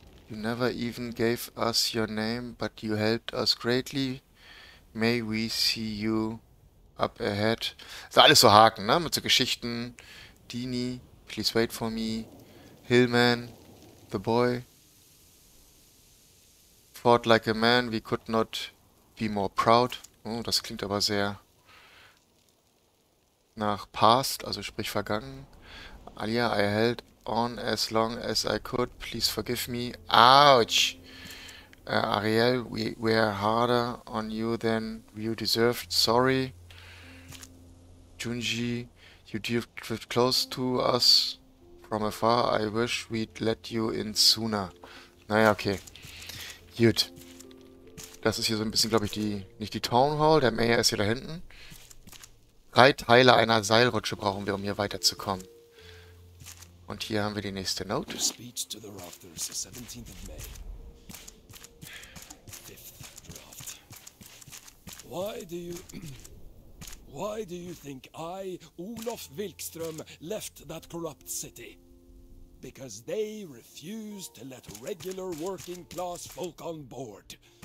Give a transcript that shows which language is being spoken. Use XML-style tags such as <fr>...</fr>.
<en>You never even gave us your name, but you helped us greatly. May we see you up ahead.</en> <de>Das ist alles so Haken, ne? Mit so Geschichten.</de> <en>Dini, please wait for me. Hillman, the boy, fought like a man, we could not be more proud.</en> <de>Oh, das klingt aber sehr nach past, also sprich vergangen.</de> <en>Alia, I held on as long as I could. Please forgive me. Ouch! Ariel, we were harder on you than you deserved. Sorry. Junji, you drifted close to us from afar. I wish we'd let you in sooner.</en> <de>Naja, okay. Gut. Das ist hier so ein bisschen, glaube ich, die. Nicht die Town Hall, der Mayor ist hier da hinten. Drei Teile einer Seilrutsche brauchen wir, um hier weiterzukommen. Und hier haben wir die nächste Note.</de> <en>Speech to the Raptors, 17th of May. Fifth draft. Why do you think I, Olof Wilkström, left that corrupt city? Because they refused to let regular working class folk on board.</en>